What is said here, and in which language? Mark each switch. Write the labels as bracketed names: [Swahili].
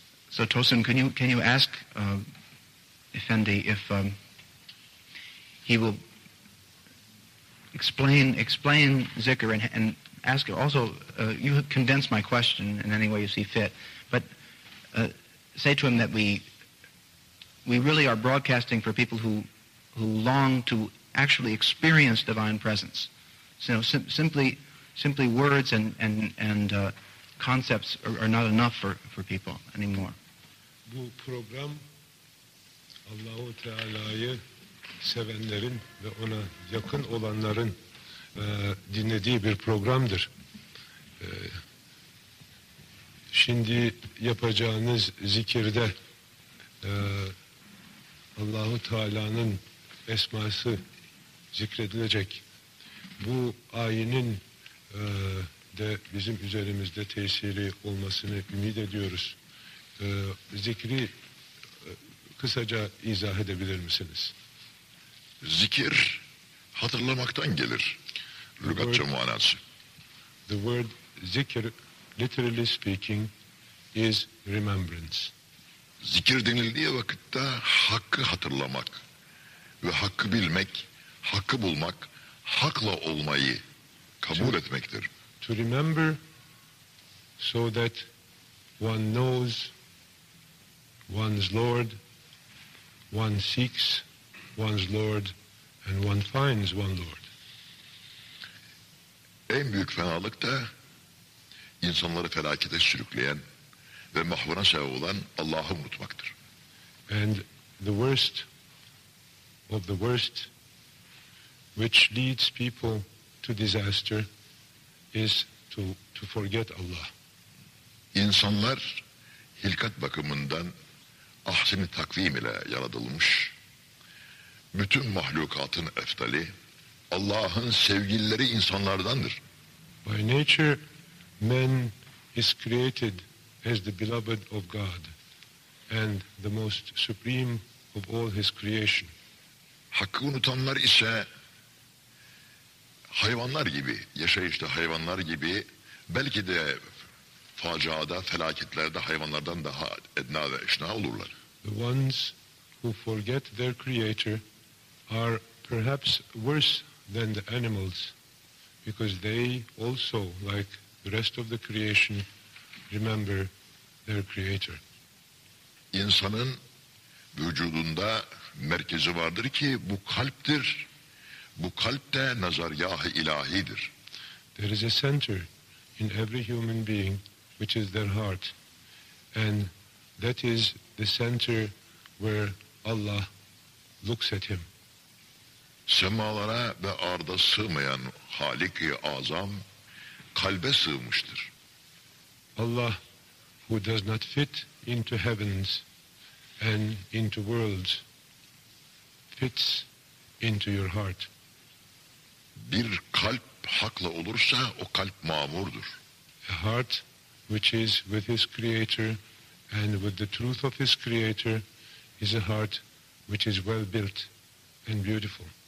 [English] So Tosin, can you ask Effendi if he will explain zikr and ask also you have condensed my question in any way you see fit, but say to him that we really are broadcasting for people who long to actually experience divine presence. So simply words and concepts are not enough for people anymore. [Turkish] Bu program Allahu Teala'yı sevenlerin ve ona yakın olanların dinlediği bir programdır. Şimdi yapacağınız zikirde Allahu Teala'nın esması zikredilecek. Bu ayinin de bizim üzerimizde tesiri olmasını ümit ediyoruz. Zikri kısaca izah edebilir misiniz? Zikir hatırlamaktan gelir. Lügatça manası. [English] The word zikir, literally speaking, is remembrance. [Turkish] Zikir denildiği vakitte hakkı hatırlamak ve hakkı bilmek, hakkı bulmak, hakla olmayı kabul etmektir. [English] To remember so that one knows one's Lord, one seeks one's Lord, and one finds one Lord. [Turkish] En büyük fenalık da insanları felakete sürükleyen ve mahvına sebep olan Allah'ı unutmaktır. [English] And the worst of the worst which leads people to disaster is to forget Allah. [Turkish] İnsanlar hilkat bakımından ahsen-i takvim ile yaratılmış, bütün mahlukatın eftali Allah'ın sevgilileri insanlardandır. [English] By nature men is created as the beloved of God and the most supreme of all his creation. [Turkish] Hakkı unutanlar ise hayvanlar gibi, yaşayışta hayvanlar gibi, belki de faciada, felaketlerde hayvanlardan daha edna ve eşna olurlar. [English] The ones who forget their creator are perhaps worse than the animals, because they also, like the rest of the creation, remember their creator. [Turkish] İnsanın vücudunda merkezi vardır ki bu kalptir. Bu kalp de nazargah-ı ilahidir. [English] There is a center in every human being, which is their heart, and that is the center where Allah looks at him. [Turkish] Semalara ve arda sığmayan Halik-i Azam kalbe sığmıştır. [English] Allah, who does not fit into heavens and into worlds, fits into your heart. [Turkish] Bir kalp hakla olursa o kalp mamurdur. [English] A heart which is with his creator and with the truth of his creator is a heart which is well built and beautiful.